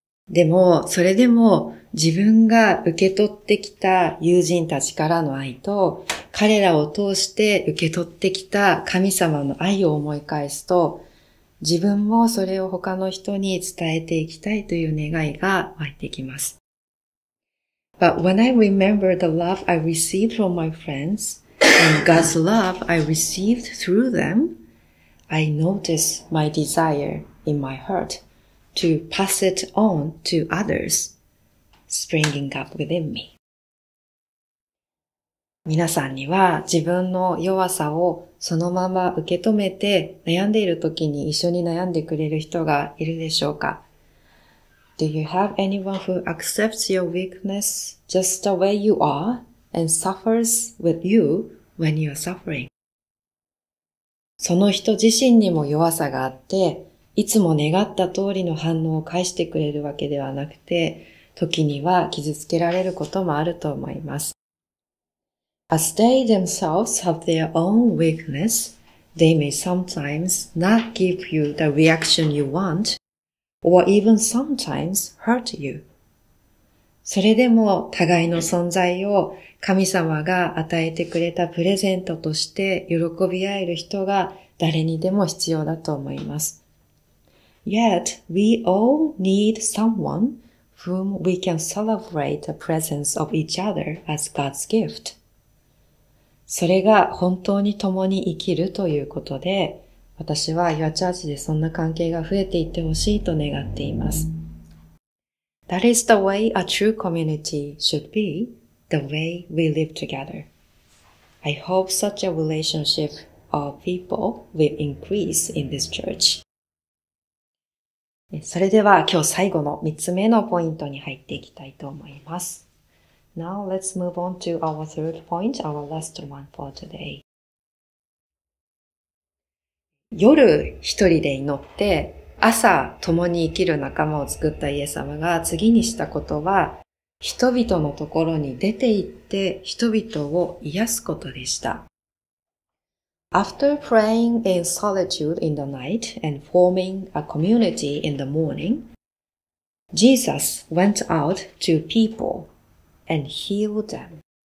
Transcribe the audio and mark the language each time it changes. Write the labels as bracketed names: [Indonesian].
[Japanese] でも、それでも自分が受け取ってきた友人たちからの愛と、彼らを通して受け取ってきた神様の愛を思い返すと、自分もそれを他の人に伝えていきたいという願いが湧いてきます。 [English] But when I remember the love I received from my friends and God's love I received through them, I notice my desire in my heart to pass it on to others springing up within me. [Japanese] 皆さんには自分の弱さをそのまま受け止めて悩んでいる時に一緒に悩んでくれる人がいるでしょうか？ [English] Do you have anyone who accepts your weakness just the way you are and suffers with you when you are suffering? [Japanese] その人自身にも弱さがあって、いつも願った通りの反応を返してくれるわけではなくて、時には傷つけられることもあると思います。 [English] As they themselves have their own weakness, they may sometimes not give you the reaction you want. Or even sometimes hurt you. [Japanese] それでも互いの存在を神様が与えてくれたプレゼントとして喜び合える人が誰にでも必要だと思います。 [English] Yet, we all need someone whom we can celebrate the presence of each other as God's gift. [Japanese] それが本当に共に生きるということで、私は Your Church でそんな関係が増えていってほしいと願っています。 [English] That is the way a true community should be, the way we live together. I hope such a relationship of people will increase in this church. [Japanese] それでは今日最後の3つ目のポイントに入っていきたいと思います。 [English] Now let's move on to our third point, our last one for today. [Japanese] 夜一人で祈って、朝共に生きる仲間を作ったイエス様が次にしたことは、人々のところに出て行って人々を癒すことでした。 [English] After praying in solitude in the night and forming a community in the morning, Jesus went out to people and healed them.